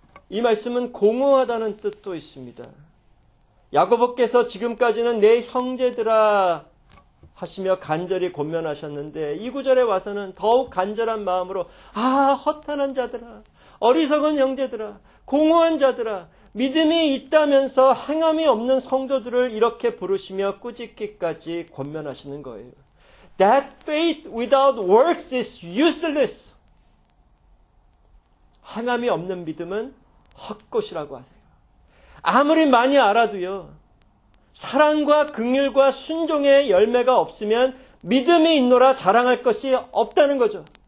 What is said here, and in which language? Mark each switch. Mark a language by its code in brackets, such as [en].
[ko] 이 말씀은 공허하다는 뜻도 있습니다. 야고보께서 지금까지는 내 형제들아 하시며 간절히 권면하셨는데 이 구절에 와서는 더욱 간절한 마음으로 아 허탄한 자들아, 어리석은 형제들아, 공허한 자들아, 믿음이 있다면서 행함이 없는 성도들을 이렇게 부르시며 꾸짖기까지 권면하시는 거예요. [en] That faith without works is useless. [ko] 행함이 없는 믿음은 헛것이라고 하세요. 아무리 많이 알아도요, 사랑과 긍휼과 순종의 열매가 없으면 믿음이 있노라 자랑할 것이 없다는 거죠.